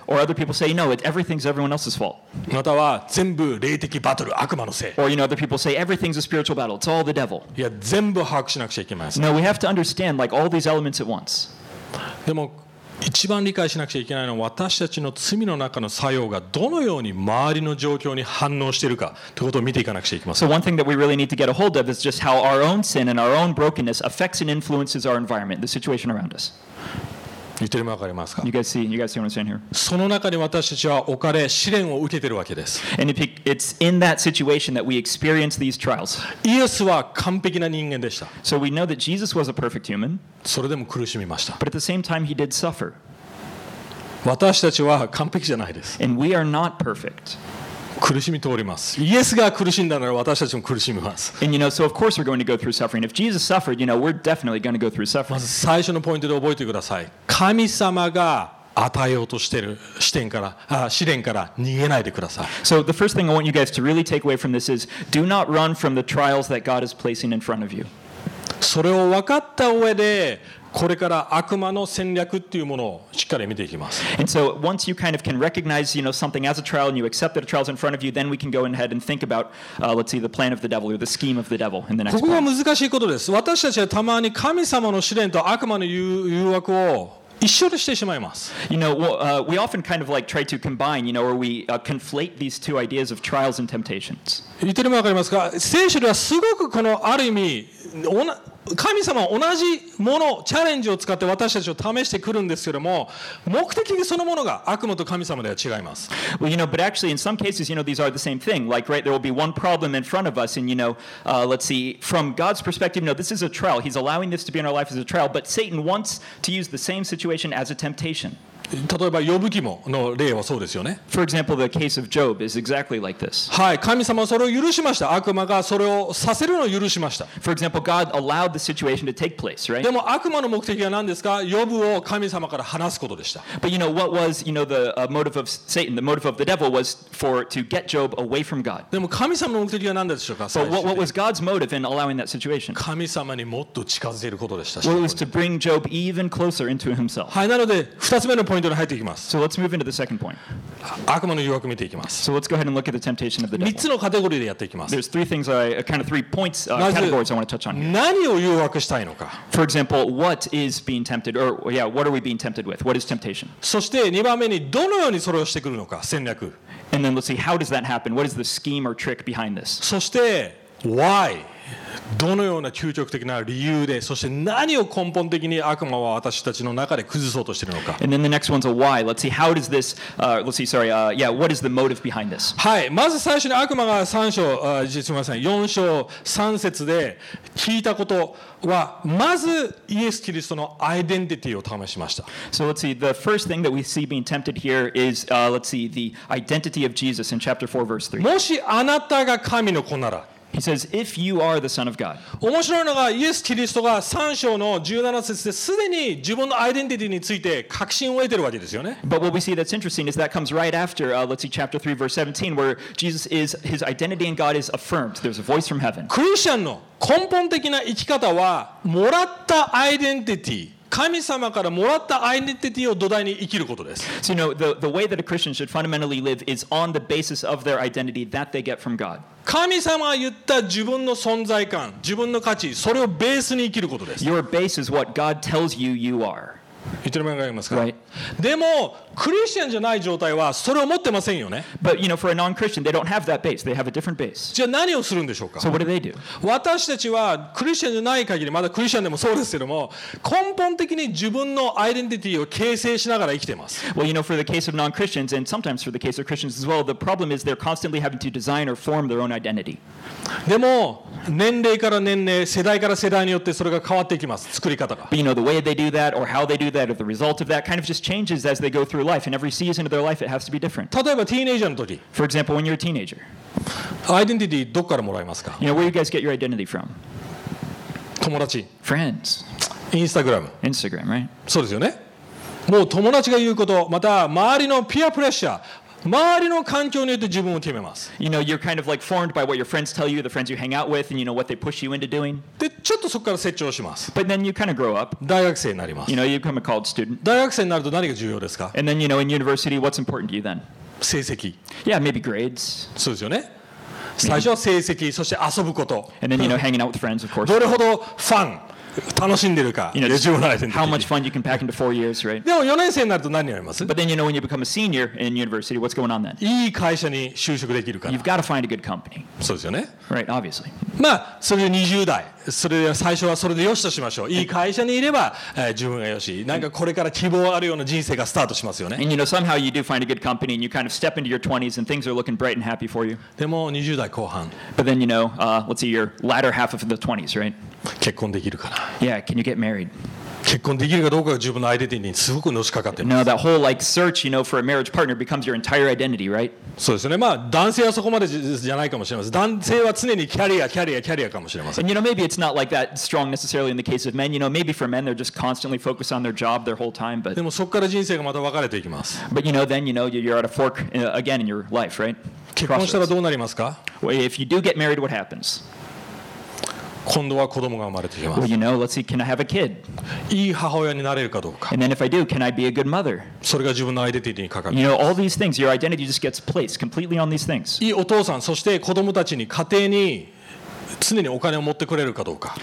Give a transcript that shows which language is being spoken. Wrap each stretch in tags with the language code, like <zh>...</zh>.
<en>Or other people say, no, it's everything's everyone else's fault.</en> <ja>または全部霊的バトル、悪魔のせい。</ja> <en>Or you know, other people say, everything's a spiritual battle. It's all the devil.</en> <ja>いや、全部把握しなくちゃいけません。</ja> <en>No, we have to understand like all these elements at once.</en> <ja>でも一番理解しなくちゃいけないのは私たちの罪の中の作用がどのように周りの状況に反応しているかということを見ていかなくちゃいけません。</ja> <en>So one thing that we really need to get a hold of is just how our own sin and our own brokenness affects and influences our environment, the situation around us.</en> <ja>言ってるのわかりますか?</ja> <en>You guys see what I'm saying here?</en> <ja>その中に私たちは置かれ試練を受けているわけです。</ja> <en>And it's in that situation that we experience these trials.</en> <ja>イエスは完璧な人間でした。</ja> <en>So we know that Jesus was a perfect human.</en> <ja>それでも苦しみました。</ja> <en>But at the same time, he did suffer.</en> <ja>私たちは完璧じゃないです。</ja> <en>And we are not perfect.</en> <ja>苦しみ通ります。イエスが苦しんだなら私たちも苦しみます。</ja> <en>And you know, so of course we're going to go through suffering. If Jesus suffered, you know, we're definitely going to go through suffering.</en> <ja>まず最初のポイントで覚えてください。神様が与えようとしている視点から、試練から逃げないでください。</ja> <en>So the first thing I want you guys to really take away from this is, do not run from the trials that God is placing in front of you.</en> <ja>それを分かった上で、これから悪魔の戦略っていうものをしっかり見ていきます。</ja> <en>And so once you kind of can recognize, you know, something as a trial and you accept that a trial is in front of you, then we can go ahead and think about, let's see, the plan of the devil or the scheme of the devil in the next part.</en> <ja>ここが難しいことです。私たちはたまに神様の試練と悪魔の誘惑を一緒にしてしまいます。</ja> <en>You know, we often kind of like try to combine, you know, or we conflate these two ideas of trials and temptations.</en> <ja>言ってるのわかりますか？聖書ではすごくこのある意味、神様は同じものチャレンジを使って私たちを試してくるんですけれども、目的そのものが悪魔と神様では違います。</ja> <en>Well, you know, but actually in some cases, you know, these are the same thing. Like, right, there will be one problem in front of us, and you know, let's see, from God's perspective, no, this is a trial. He's allowing this to be in our life as a trial. But Satan wants to use the same situation as a temptation.</en> <ja>例えばヨブ記の例はそうですよね。</ja> <en>For example, the case of Job is exactly like this.</en> <ja>はい、神様はそれを許しました。悪魔がそれをさせるのを許しました。</ja> <en>For example, God allowed the situation to take place, right?</en> <ja>でも悪魔の目的は何ですか？ヨブを神様から話すことでした。</ja> <en>But you know what was, you know, the motive of Satan, the motive of the devil was for to get Job away from God.</en> <ja>でも神様の目的は何でしょうか？</ja> <en>So what was God's motive in allowing that situation?</en> <ja>神様にもっと近づけることでした。</ja> <en>Well, it was to bring Job even closer into himself.</en> <ja>はい、なので2つ目のポイント。</ja> <en>So let's move into the second point.</en> <ja>悪魔の誘惑を見ていきます。</ja> <en>So let's go ahead and look at the temptation of the devil.</en> <ja>3つのカテゴリーでやっていきます。</ja> <en>There's three things I kind of three points categories I want to touch on here.</en> <ja>何を誘惑したいのか。</ja> <en>For example, what is being tempted, or yeah, what are we being tempted with? What is temptation?</en> <ja>そして2番目にどのようにそれをしてくるのか、戦略。</ja> <en>And then let's see how does that happen? What is the scheme or trick behind this?</en> <ja>そして</ja> <en>why?</en> <ja>どのような究極的な理由で、そして何を根本的に悪魔は私たちの中で崩そうとしているのか。</ja> <en>And then the next one's a why. Let's see how does this. Let's see. Sorry. Yeah. What is the motive behind this?</en> <ja>はい。まず最初に悪魔が三章、すみません、四章三節で聞いたことはまずイエスキリストのアイデンティティを試しました。</ja> <en>So let's see. The first thing that we see being tempted here is, let's see, the identity of Jesus in chapter 4 verse 3.</en> <ja>もしあなたが神の子なら。</ja> <en>He says, "If you are the Son of God."</en> <ja>面白いのがイエス・キリストが3章の17節ですでに自分のアイデンティティについて確信を得ているわけですよね。</ja> <en>But what we see that's interesting is that comes right after, let's see, chapter 3, verse 17, where Jesus is his identity in God is affirmed. There's a voice from heaven.</en> <ja>クリスチャンの根本的な生き方はもらったアイデンティティ。神様からもらったアイデンティティを土台に生きることです。</ja> <en>So, you know, the way that a Christian should fundamentally live is on the basis of their identity that they get from God.</en> <ja>神様が言った自分の存在感、自分の価値、それをベースに生きることです。</ja> <en>Your base is what God tells you you are.</en> <ja>言ってる場合がありますか？</ja> <en>Right.</en> <ja>でも、クリスチャンじゃない状態はそれを持ってませんよね。</ja> <en>But, you know, for a non-Christian, they don't have that base. They have a different base.</en> <ja>じゃあ何をするんでしょうか？</ja> <en>So what do they do?</en> <ja>私たちはクリスチャンじゃない限り、まだクリスチャンでもそうですけども、根本的に自分のアイデンティティを形成しながら生きています。</ja> <en>Well, you know, for the case of non-Christians, and sometimes for the case of Christians as well, the problem is they're constantly having to design or form their own identity.</en> <ja>でも、年齢から年齢、世代から世代によってそれが変わっていきます、作り方が。</ja> <en>But, you know, the way they do that, or how they do that, or the result of that kind of just changes as they go through life. In every season of their life, it has to be different.</en> <ja>例えば、teenager の時。</ja> <en>For example, when you're a teenager.</en> <ja>Identity, どこからもらえますか?</ja> <en>You know, where do you guys get your identity from?</en> <ja>友達。</ja> <en>Friends. Instagram. Instagram, right?</en> <ja>そうですよね。もう友達が言うこと、また周りの</ja> <en>peer pressure、</en> <ja>周りの環境によって自分を決めます。</ja> <en>You know, you're kind of like formed by what your friends tell you, the friends you hang out with, and you know what they push you into doing.</en> <ja>で、ちょっとそこから成長します。</ja> <en>But then you kind of grow up.</en> <ja>大学生になります。</ja> <en>You know, you become a college student.</en> <ja>大学生になると何が重要ですか?</ja> <en>And then, you know, in university, what's important to you then?</en> <ja>成績。</ja> <en>Yeah, maybe grades.</en> <ja>そうですよね。最初は成績、そして遊ぶこと。</ja> <en>And then, you know, hanging out with friends, of course.</en> <ja>どれほどファン。楽しんでるか。</ja> <en>You know, how much fun you can pack into 4 years, right?</en> <ja>でも4年生になると何になります?</ja> <en>But then you know when you become a senior in university, what's going on then?</en> <ja>いい会社に就職できるから。</ja> <en>You've got to find a good company.</en> <ja>そうですよね。</ja> <en>Right, obviously.</en> <ja>まあそれで20代、それで最初はそれで良しとしましょう。いい会社にいれば、自分が良し。なんかこれから希望あるような人生がスタートしますよね。</ja> <en>And you know somehow you do find a good company and you kind of step into your 20s and things are looking bright and happy for you.</en> <ja>でも20代後半。</ja> <en>But then you know, let's see your latter half of the 20s, right?</en> <ja>結婚できるかな?</ja> <en>Yeah, can you get married?</en> <ja>結婚できるかどうかが自分のアイデンティティにすごくのしかかってます。</ja> <en>Now that whole like search, you know, for a marriage partner becomes your entire identity, right?</en> <ja>そうですね。まあ男性はそこまでじゃないかもしれません。男性は常にキャリア、キャリア、キャリアかもしれません。</ja> <en>And you know, maybe it's not like that strong necessarily in the case of men. You know, maybe for men they're just constantly focused on their job their whole time. But</en> <ja>でもそこから人生がまた分かれていきます。</ja> <en>But you know, then you know you're at a fork again in your life, right?</en> <ja>結婚したらどうなりますか?</ja> <en>Well, if you do get married, what happens?</en> <ja>今度は子供が生まれてきます。</ja> <en>Well, you know, let's see, can I have a kid?</en> <ja>いい母親になれるかどうか。</ja> <en>And then if I do, can I be a good mother?</en> <ja>それが自分のアイデンティティにかかります。</ja> <en>You know, all these things, your identity just gets placed completely on these things.</en> <ja>いいお父さん、そして子供たちに家庭に常にお金を持ってくれるかどうか。</ja>